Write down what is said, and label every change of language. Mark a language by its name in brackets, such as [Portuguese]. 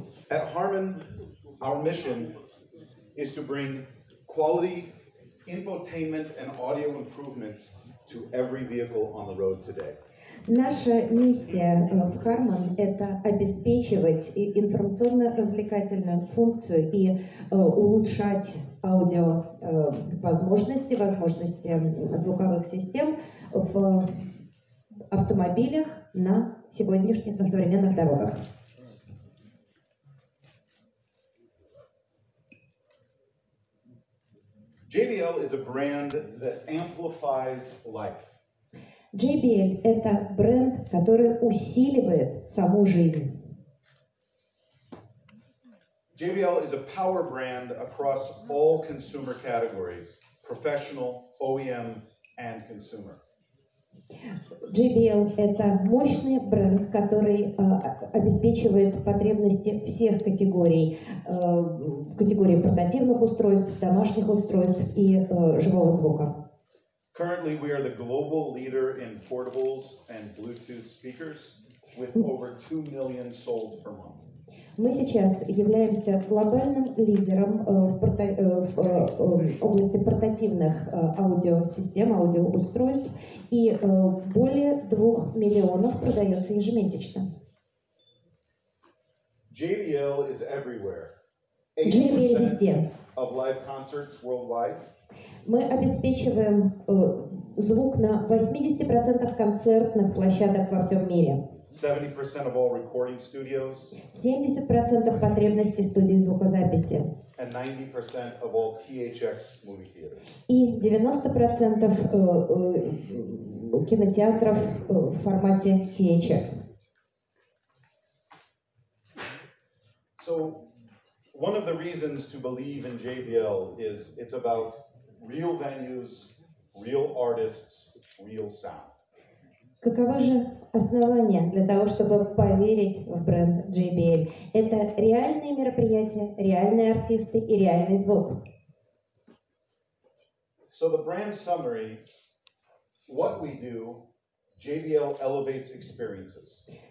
[English] At Harman, our mission is to bring quality infotainment and audio improvements to every vehicle on the road today. [Russian] Наша миссия в Harman – это обеспечивать информационно-развлекательную функцию и улучшать аудиовозможности, возможности звуковых систем в автомобилях на сегодняшних, на современных дорогах. [English] JBL is a brand that amplifies life. [Russian] JBL – это бренд, который усиливает саму жизнь. [English] JBL is a power brand across all consumer categories – professional, OEM and consumer. [Russian] JBL – это мощный бренд, который обеспечивает потребности всех категорий. Категории портативных устройств, домашних устройств и живого звука. [English] Currently, we are the global leader in portables and Bluetooth speakers with over 2 million sold per month. [Russian] Мы сейчас являемся глобальным лидером в области портативных аудиосистем, аудиоустройств, и более 2 миллионов продается ежемесячно. [English] JBL is everywhere. [Russian] JBL везде. [English] Of live concerts worldwide. [Russian] Мы обеспечиваем звук на 80% концертных площадок во всем мире. [English] 70% of all recording studios. [Russian] 70% потребностей студии звукозаписи. [English] And 90% of all THX movie theaters. [Russian] И 90% кинотеатров в формате THX. [English] So, one of the reasons to believe in JBL is it's about real venues, real artists, real sound. [Russian] Каково же основание для того, чтобы поверить в бренд JBL? Это реальные мероприятия, реальные артисты и реальный звук. [English] So the brand summary, what we do, JBL elevates experiences.